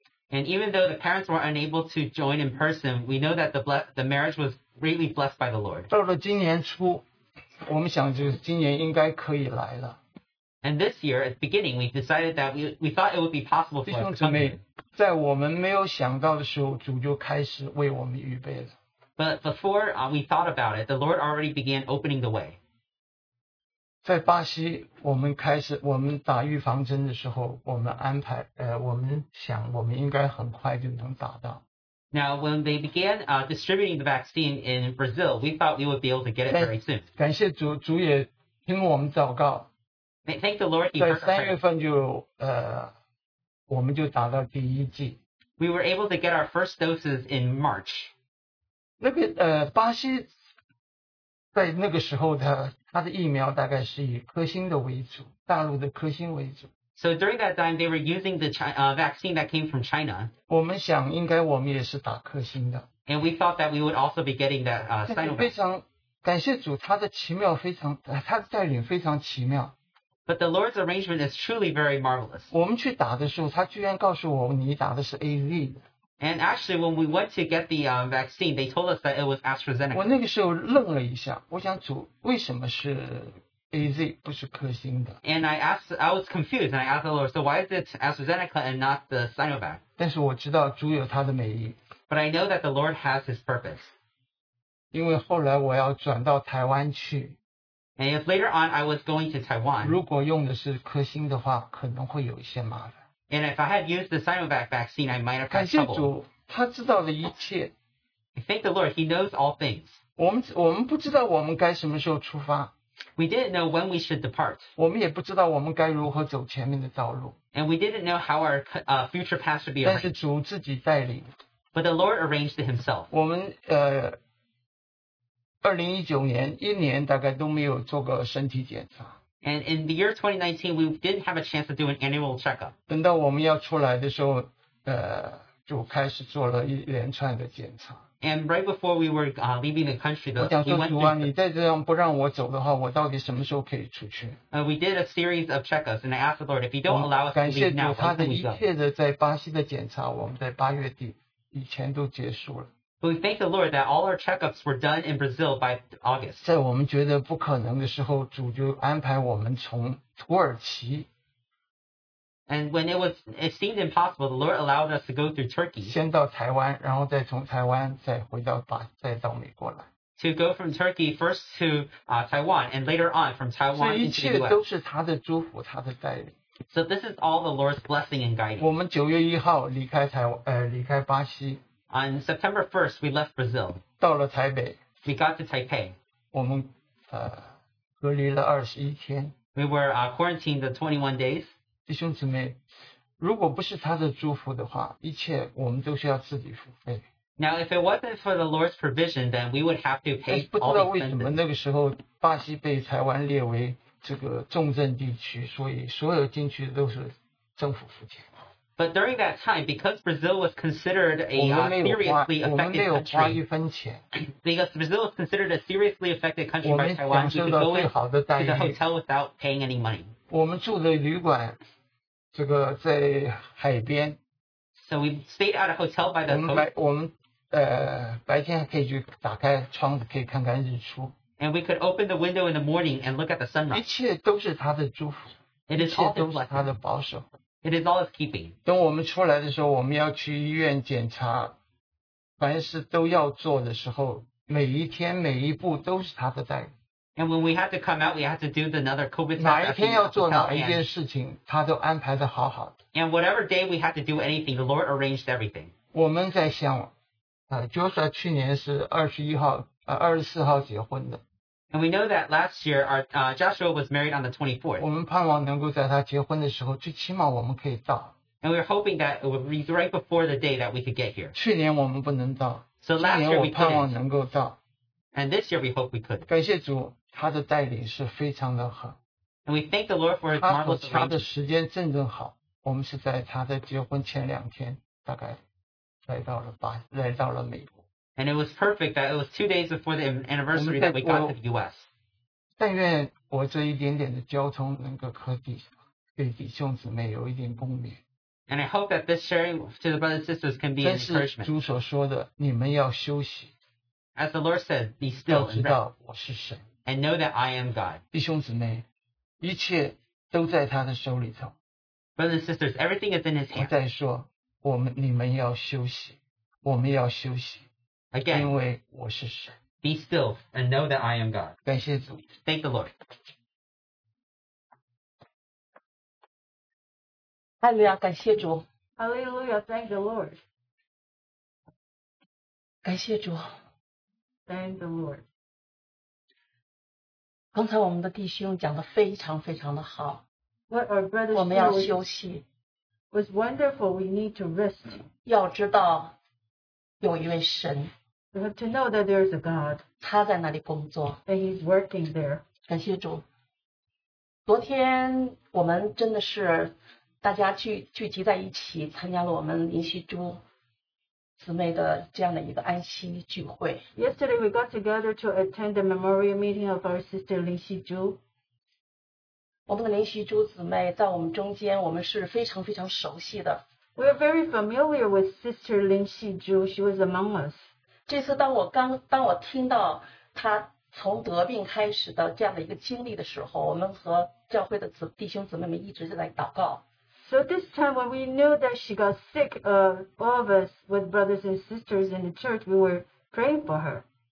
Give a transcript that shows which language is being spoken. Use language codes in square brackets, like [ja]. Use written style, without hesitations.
[en] And even though the parents were unable to join in person, we know that the marriage was greatly blessed by the Lord. [zh] 到了今年初, 我们想就是今年应该可以来了。 [en] And this year, at the beginning, we decided that we thought it would be possible for us to come here. [zh] 在我们没有想到的时候，主就开始为我们预备了。 [en] But before we thought about it, the Lord already began opening the way. [zh] 在巴西，我们开始我们打预防针的时候，我们安排我们想我们应该很快就能打到。 [en] Now, when they began distributing the vaccine in Brazil, we thought we would be able to get it very soon. [zh] 感谢主，主也听我们祷告。 [en] Thank the Lord. [zh] 在三月份就我们就打到第一剂。 [en] We were able to get our first doses in March. [zh] 那个巴西在那个时候的它的疫苗大概是以科兴的为主，大陆的科兴为主。 [en] So during that time, they were using the vaccine that came from China. [zh] 我们想应该我们也是打科兴的。 [en] And we thought that we would also be getting that Sinovac. [zh] 非常感谢主，他的奇妙非常，他的带领非常奇妙。 [en] But the Lord's arrangement is truly very marvelous. [zh] 我们去打的时候，他居然告诉我你打的是 AZ。 [en] And actually, when we went to get the vaccine, they told us that it was AstraZeneca. [zh] 我那个时候愣了一下，我想主为什么是 AZ 不是科兴的 [en] ？And I was confused, and I asked the Lord, so why is it AstraZeneca and not the Sinovac? [zh] 但是我知道主有他的美意。 [en] But I know that the Lord has His purpose. [zh] 因为后来我要转到台湾去。 [en] And if later on I was going to Taiwan, [zh] 如果用的是科兴的话，可能会有一些麻烦。 [en] And if I had used the Sinovac vaccine, I might have had trouble. [zh] 感谢主，他知道了一切。 [en] I thank the Lord, He knows all things. [zh] 我们不知道我们该什么时候出发。 [en] We didn't know when we should depart. [zh] 我们也不知道我们该如何走前面的道路。 [en] And we didn't know how our future path should be arranged. [zh] 但是主自己带领。 [en] But the Lord arranged it Himself. [zh] 我们2019年一年大概都没有做过身体检查。 [en] And in the year 2019, we didn't have a chance to do an annual checkup. [zh] 等到我们要出来的时候，就开始做了一连串的检查。 [en] And right before we were leaving the country, the [zh] 我想说主啊，你再这样不让我走的话，我到底什么时候可以出去？ [en] We did a series of checkups, and I asked the Lord, if you don't allow us to leave now, when can we go? [zh] 感谢主，他的一切的在巴西的检查，我们在八月底以前都结束了。 [en] But we thank the Lord that all our checkups were done in Brazil by August. [zh] 在我们觉得不可能的时候，主就安排我们从土耳其。 [en] And when it seemed impossible, the Lord allowed us to go through Turkey. [zh] 先到台湾，然后再从台湾再回到再到美国来。 [en] To go from Turkey first to Taiwan, and later on from Taiwan into the U.S. [zh] 这一切都是他的祝福，他的带领。 [en] So this is all the Lord's blessing and guidance. [zh] 我们九月一号离开台湾，离开巴西。 [en] On September 1st, we left Brazil. [zh] 到了台北。 [en] We got to Taipei. [zh] 我们隔离了21天。 [en] We were quarantined the 21 days. [zh] 弟兄姊妹，如果不是他的祝福的话，一切我们都是要自己付费。 [en] Now, if it wasn't for the Lord's provision, then we would have to pay all the expenses. [zh] 不知道为什么那个时候巴西被台湾列为这个重症地区，所以所有进去都是政府付钱。 [en] But during that time, because Brazil was considered a seriously affected country, because Brazil was considered a seriously affected country by Taiwan, you could go to the hotel without paying any money. [zh] 我们住的旅馆，这个在海边。 [en] So we stayed at a hotel by the coast. [zh] 我们白天还可以去打开窗子，可以看看日出。 [en] And we could open the window in the morning and look at the sunrise. [zh] 一切都是他的祝福。 [en] It is all his blessing. [zh] 一切都是他的保守。 [en] It is all his keeping. [zh] 等我们出来的时候，我们要去医院检查，凡事都要做的时候，每一天每一步都是他的带领。 [en] And when we had to come out, we had to do another COVID test. [zh] 哪一天要做哪一件事情，他都安排的好好的。 [en] And whatever day we had to do anything, the Lord arranged everything. [zh] 我们在想，Joshua 去年是24号结婚的。 [en] And we know that last year, Joshua was married on the 24th. [zh] 我们盼望能够在他结婚的时候，最起码我们可以到。 [en] And we were hoping that it would be right before the day that we could get here. [zh] 去年我们不能到。 [en] So last year we couldn't. [zh] 去年我盼望能够到。 [en] And this year we hope we could. [zh] 感谢主，他的带领是非常的好。 [en] And we thank the Lord for His marvelous arrangement. [zh] 他和他的时间正正好，我们是在他的结婚前两天，大概来到了美国。 [en] And it was perfect that it was 2 days before the anniversary that we got to the U.S. [zh] 但愿我这一点点的交通能够可以给弟兄姊妹有一点共勉。 [en] And I hope that this sharing to the brothers and sisters can be an encouragement. [zh] 真是主所说的，你们要休息。 [en] As the Lord said, be still and rest. [zh] 要知道我是神。 [en] And know that I am God. [zh] 弟兄姊妹，一切都在他的手里头。 [en] Brothers and sisters, everything is in his hand. [zh] 我在说，你们要休息，我们要休息。 [en] Again, [zh] 因为我是神。 [en] Be still and know that I am God. [zh] 感谢主。 [en] Thank the Lord. [zh] 哈利路亚，感谢主。 [en] Hallelujah, thank the Lord. [zh] 感谢主。 [en] Thank the Lord. [zh] 刚才我们的弟兄讲得非常非常的好。 [en] What our brothers [zh] 我们要休息。 [en] Was wonderful, we need to rest. [zh] 要知道有一位神。 [en] We have to know that there is a God. [zh] 他在那里工作。 [en] And he's working there. [zh] 感谢主。昨天我们真的是大家聚集在一起参加了我们林夕珠姊妹的这样的一个安息聚会。 [en] Yesterday we got together to attend the memorial meeting of our sister 林夕珠。 [zh] 我们的林夕珠姊妹在我们中间，我们是非常非常熟悉的。 [en] We are very familiar with Sister 林夕珠.She was among us. [zh] 这次当我听到她从得病开始的这样的一个经历的时候，我们和教会的弟兄姊妹们一直在祷告。 [en] So this time when we knew that she got sick, all of us with brothers and sisters in the church, we were praying for her.